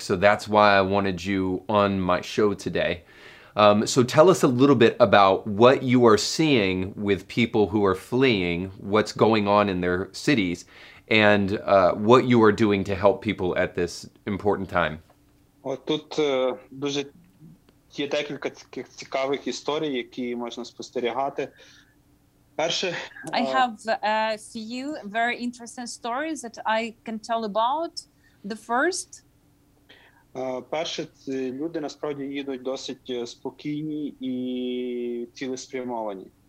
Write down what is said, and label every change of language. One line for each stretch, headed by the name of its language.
English: So that's why I wanted you on my show today. So tell us a little bit about what you are seeing with people who are fleeing, what's going on in their cities, and what you are doing to help people at this important time.
Ukrainian: Тут дуже є декілька таких цікавих історій, які можна спостерігати. Перше,
English: I have a few very interesting stories that I can tell about. The first,
Ukrainian: перше, люди насправді їдуть досить спокійні і цілеспрямовані.